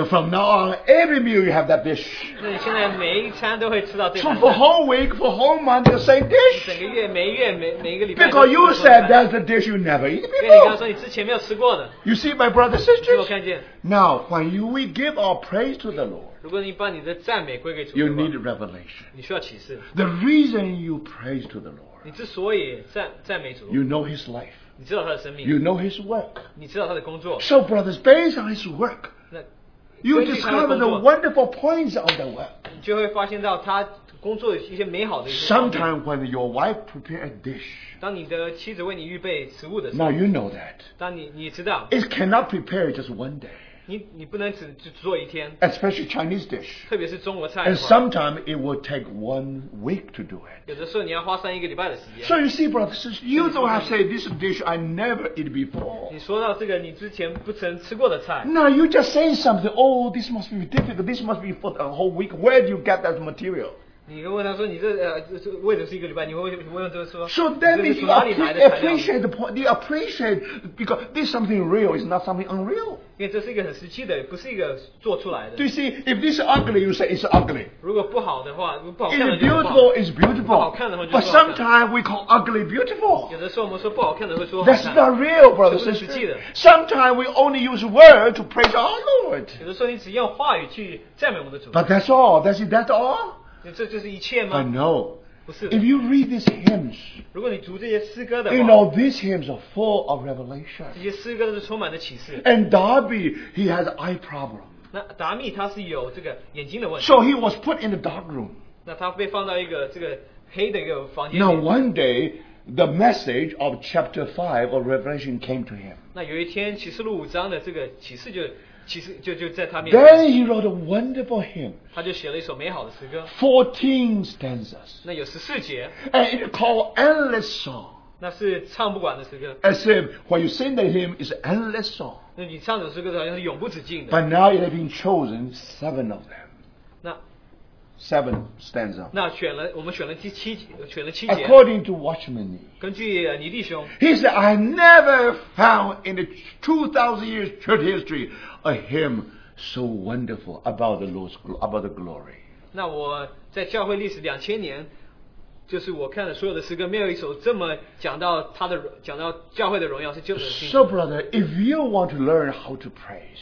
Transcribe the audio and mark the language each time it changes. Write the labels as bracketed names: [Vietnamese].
[English] You're from now on, every meal you have that dish. [Chinese] 那你现在每一餐都会吃到这盘菜。 [English] So for whole week, for whole month, the same dish. [Chinese] 整个月, 每一个礼拜, [English] because you said that's the dish you never eat before. [Chinese] 对,你刚刚说你之前没有吃过的。 [English] You see, my brother, sisters, [Chinese] 你有看见? [English] Now, when we give our praise to the Lord, [Chinese] 如果你把你的赞美归给主的话, [English] you need revelation. [Chinese] 你需要启示。 [English] The reason you praise to the Lord, [Chinese] 你之所以赞美主, [English] you know His life. [Chinese] 你知道他的生命, [English] you know His work. [Chinese] 你知道他的工作, [English] so brothers, based on His work, [Chinese] 那, [English] you discover the wonderful points of the work. [Chinese] 你就会发现到他工作一些美好的一些方面。 [English] Sometime when your wife prepares a dish, [Chinese] 当你的妻子为你预备食物的时候, [English] now you know that, [Chinese] 当你知道, [English] it cannot prepare just one day. [Chinese] 你不能只做一天, [English] especially Chinese dish, [Chinese] 特别是中国菜的话, [English] and sometimes it will take 1 week to do it. [Chinese] 有的时候你要花上一个礼拜的时间。 [English] So you see, brothers, you don't have to say this dish I never eat before. [Chinese] 你说到这个你之前不曾吃过的菜, [English] now you just say something, oh, this must be difficult, this must be for a whole week, where do you get that material? [Chinese] 你问他说你这为的是一个礼拜，你会问这个说，so [English] then you appreciate because this is something real, it's not something unreal. [Chinese] 因为这是一个很实际的，不是一个做出来的。 [English] Do you see, if this is ugly, you say it's ugly. [Chinese] 如果不好的话，不好看的就不好。 [English] If beautiful, it's beautiful. [Chinese] 不好看的话就不好看。 [English] But sometimes we call ugly beautiful. [Chinese] 有的时候我们说不好看的会说好看。 [English] That's not real, brother, sister. Sometimes we only use word to praise our Lord. [Chinese] 有的时候你只用话语去赞美我们的主。 [English] But that's all. That's all. [Chinese] 这就是一切吗? [English] But no. [Chinese] 不是的, [English] if you read these hymns, [Chinese] 如果你读这些诗歌的话, [English] you know these hymns are full of revelation. [Chinese] 这些诗歌都是充满了启示。 [English] And Darby, he has eye problem. [Chinese] 那达米他是有这个眼睛的问题。 [English] So he was put in a dark room. [Chinese] 那他被放到一个这个黑的一个房间里。 [English] Now one day, the message of chapter 5 of Revelation came to him. [Chinese] 那有一天启示录五章的这个启示就, 其实就在他面前, [English] then he wrote a wonderful hymn. [Chinese] 他就写了一首美好的诗歌, [English] 14 stanzas. [Chinese] 那有14节, [English] and it's called Endless Song. [Chinese] 那是唱不完的诗歌, [English] as if when you sing the hymn is endless song. [Chinese] 那你唱的诗歌好像是永不止境的, [English] but now it has been chosen 7 of them. [Chinese] 那, [English] 7 stanzas. [Chinese] 那选了, 我们选了第七节, [English] according to Watchman Nee, [Chinese] 根据尼弟兄, [English] he said, I never found in the 2000 years church history a hymn so wonderful about the Lord's about the glory. [Chinese] 那我在教会历史2000年, 就是我看了所有的诗歌, 没有一首这么讲到他的, 讲到教会的荣耀是就是的心。 [English] So brother, if you want to learn how to praise,